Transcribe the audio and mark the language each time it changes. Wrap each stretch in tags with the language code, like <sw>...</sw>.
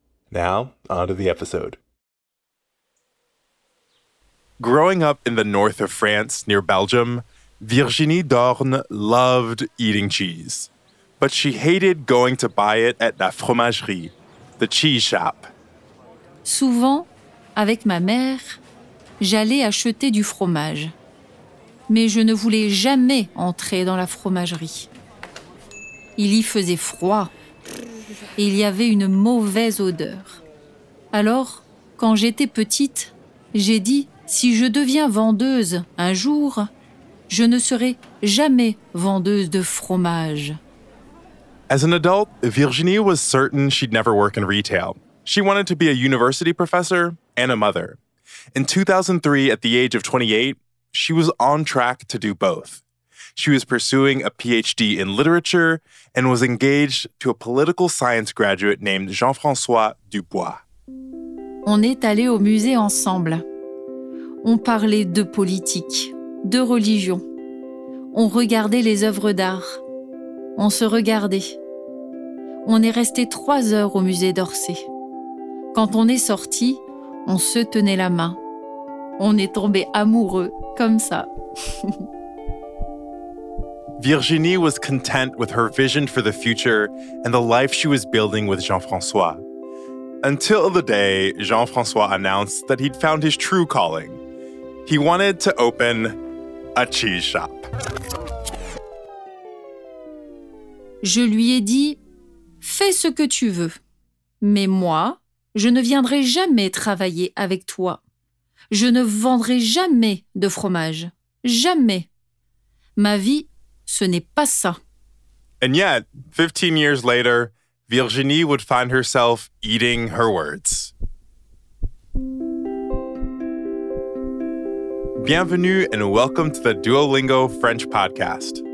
<en>Now, on to the episode. Growing up in the north of France, near Belgium, Virginie d'Orne loved eating cheese, but she hated going to buy it at la fromagerie, the cheese shop.</en> <fr>Souvent, avec ma mère, j'allais acheter du fromage, mais je ne voulais jamais entrer dans la fromagerie. Il y faisait froid et il y avait une mauvaise odeur. Alors, quand j'étais petite, j'ai dit, si je deviens vendeuse un jour, je ne serai jamais vendeuse de fromage.</fr> <en>As an adult, Virginie was certain she'd never work in retail. She wanted to be a university professor and a mother. In 2003, at the age of 28, she was on track to do both. She was pursuing a PhD in literature and was engaged to a political science graduate named Jean-François Dubois.</en> <fr>On est allé au musée ensemble. On parlait de politique, de religion. On regardait les œuvres d'art. On se regardait. On est resté 3 heures au musée d'Orsay. Quand on est sorti, on se tenait la main. On est tombé amoureux, comme ça.</fr> <en>Virginie was content with her vision for the future and the life she was building with Jean-François. Until the day Jean-François announced that he'd found his true calling. He wanted to open a cheese shop.</en> <fr>Je lui ai dit, fais ce que tu veux. Mais moi, je ne viendrai jamais travailler avec toi. Je ne vendrai jamais de fromage. Jamais. Ma vie, ce n'est pas ça.</fr> <en>And yet, 15 years later, Virginie would find herself eating her words. Bienvenue and welcome to the Duolingo French Podcast.</en>